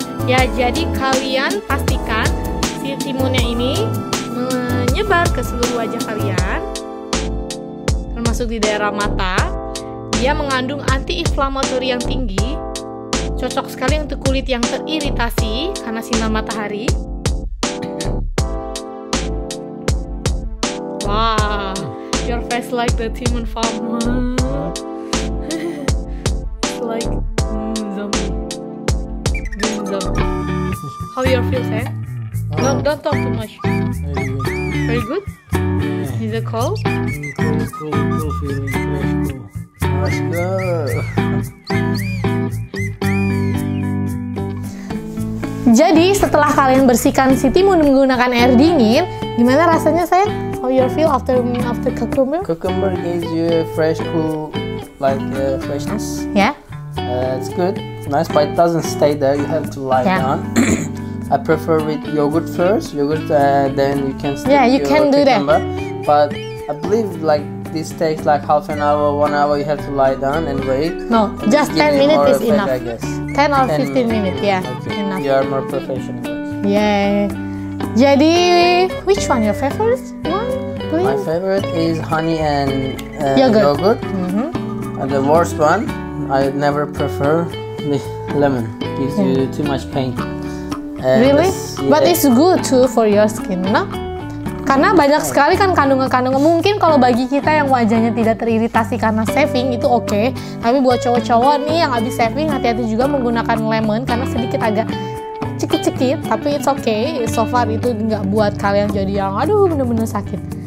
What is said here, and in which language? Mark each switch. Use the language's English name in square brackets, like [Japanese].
[Indonesian] Ya, jadi kalian pastikan si timunnya ini menyebar ke seluruh wajah kalian, termasuk di daerah mata. Dia mengandung anti-inflamatori yang tinggi, cocok sekali untuk kulit yang teriritasi karena sinar matahari. [English] Wow, your face like the timun farm. It's like zombie. How your feel, eh? Don't talk too much. Very good. Yeah. Is it cold? Cold, feeling fresh, cool. Fresh, good. [Indonesian] Jadi setelah kalian bersihkan si timun menggunakan air dingin, gimana rasanya, sayang? [English] How you feel after cucumber? Cucumber gives you a fresh, cool, like freshness. Yeah. It's good. Nice, but it doesn't stay there. You have to lie down. I prefer with yogurt first, yogurt, then you can stick yeah, you can do cucumber. That. But I believe like this takes like half an hour, 1 hour, you have to lie down and wait. No, and just 10 minutes is effect, enough. 10 or 15 minutes, yeah, okay. Enough. You are more professional. Yeah. Jadi, which one your favorite one, please? My favorite is honey and yogurt. Mm-hmm. And the worst one, I never prefer lemon. Gives you too much pain. Really? Yeah. But it's good too for your skin, no? [Indonesian] Karena banyak sekali kan kandungan-kandungan. Mungkin kalau bagi kita yang wajahnya tidak teriritasi karena shaving itu okay. Tapi buat cowok-cowok nih yang habis shaving, hati-hati juga menggunakan lemon karena sedikit agak cikit-cikit. Tapi [English] it's okay. So far [Indonesian] itu nggak buat kalian jadi yang aduh benar-benar sakit.